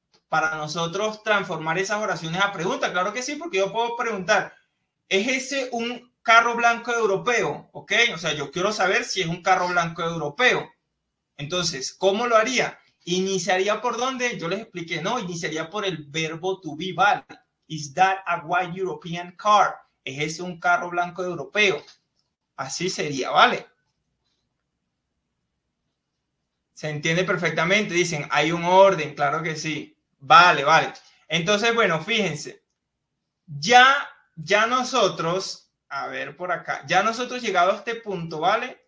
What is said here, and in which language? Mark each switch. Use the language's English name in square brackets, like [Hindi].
[Spanish] Para nosotros transformar esas oraciones a preguntas. Claro que sí, porque yo puedo preguntar, ¿es ese un carro blanco europeo? ¿Ok? O sea, yo quiero saber si es un carro blanco europeo. Entonces, ¿cómo lo haría? ¿Iniciaría por dónde? Yo les expliqué, no, iniciaría por el verbo to be, ¿vale? [English] Is that a white European car? [Spanish] ¿Es ese un carro blanco europeo? Así sería, ¿vale? Se entiende perfectamente, dicen, hay un orden, claro que sí. Vale. Entonces, bueno, fíjense, ya nosotros, a ver por acá, ya nosotros llegado a este punto, ¿vale?